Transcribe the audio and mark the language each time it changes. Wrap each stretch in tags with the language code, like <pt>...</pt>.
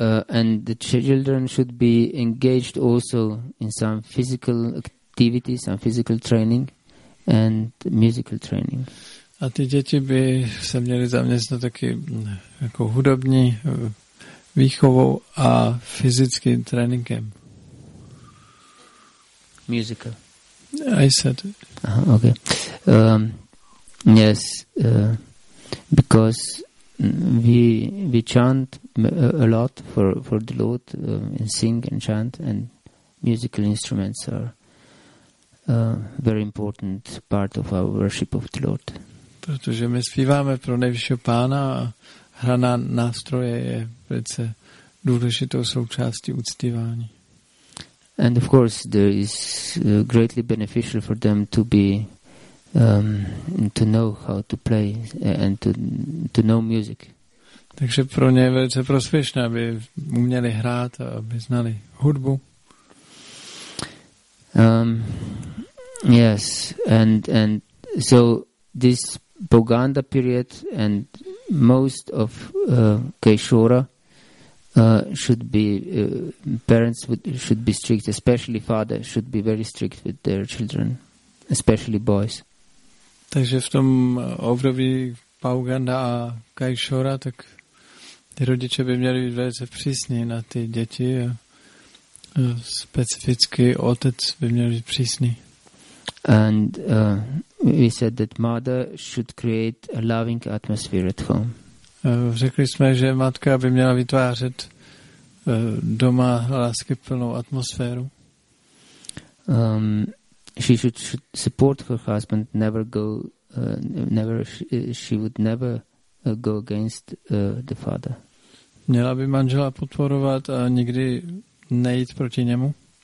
<en>And the children should be engaged also in some physical activities, some physical training and musical training.</en> <cs>A ty děti by se měly zaměstnat taky jako hudební výchovou a fyzickým tréninkem.</cs> <en>Musical. I said. Okay. Yes. Because we chant a lot for the Lord and sing and chant, and musical instruments are a very important part of our worship of the Lord.</en> <cs>Protože my zpíváme pro nejvyššího pána a hra na nástroje je velice důležitou součástí uctívání.</cs> <en>And of course, there is greatly beneficial for them to be to know how to play and to know music.</en> <cs>Takže pro ně je velice prospěšné, aby uměli hrát a aby znali hudbu.</cs> <en>Yes, and so this Boganda period and most of Kaishora should be parents should be strict, especially father should be very strict with their children, especially boys.</en> <cs>Takže v tom období Boganda a Kaishora, tak ty rodiče by měli být velice přísní na ty děti a specificky otec by měl být přísný.</cs> <en>And we said that mother should create a loving atmosphere at home.</en> <cs>Řekli jsme, že matka by měla vytvářet doma láskyplnou atmosféru.</cs> <en>She should support her husband, she would never go against the father.</en> <cs>Měla by manžela podporovat a nikdy nejít proti němu.</cs>